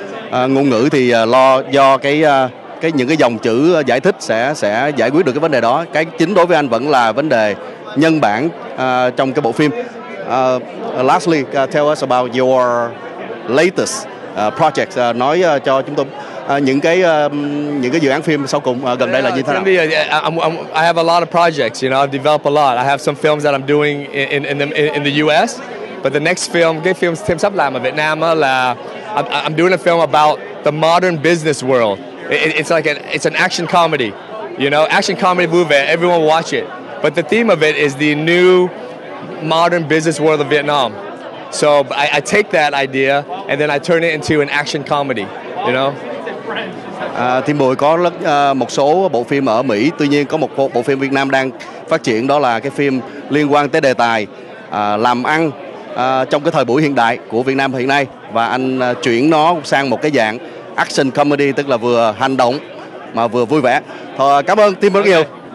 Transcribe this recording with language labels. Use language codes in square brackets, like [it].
[vi] Ngôn ngữ thì lo do cái những cái dòng chữ giải thích sẽ giải quyết được cái vấn đề đó. Cái chính đối với anh vẫn là vấn đề nhân bản trong cái bộ phim. [en] Lastly, tell us about your latest project. [vi] Nói cho chúng tôi những cái dự án phim sau cùng gần đây là như thế nào? [en] I have a lot of projects, you know, I've developed a lot. I have some films that I'm doing in the US. But the next film, [vi] cái film Tim sắp làm ở Việt Nam là [en] I'm doing a film about the modern business world. It's an action comedy, you know, action comedy [vi] vui vẻ, [en] everyone will watch it. But the theme of it is the new modern business world of Vietnam. So I take that idea and then I turn it into an action comedy, you know. [vi] Tim Bùi có một số bộ phim ở Mỹ, tuy nhiên có một bộ phim Việt Nam đang phát triển, đó là cái phim liên quan tới đề tài làm ăn trong cái thời buổi hiện đại của Việt Nam hiện nay, và anh chuyển nó sang một cái dạng action comedy, tức là vừa hành động mà vừa vui vẻ. Thôi, cảm ơn Tim rất nhiều.